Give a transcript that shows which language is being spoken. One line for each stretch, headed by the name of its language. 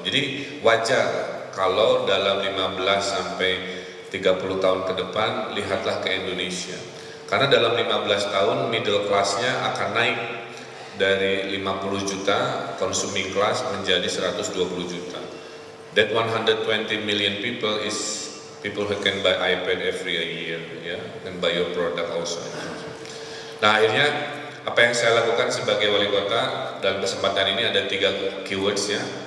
Indonesian: Jadi wajar kalau dalam 15 sampai 30 tahun ke depan, lihatlah ke Indonesia. Karena dalam 15 tahun middle class-nya akan naik dari 50 juta consuming class menjadi 120 juta.
English: That 120 million people is people who can buy iPad every year, yeah, and buy your product also.
Indonesian: Nah, akhirnya apa yang saya lakukan sebagai wali kota dalam kesempatan ini ada tiga keywords ya.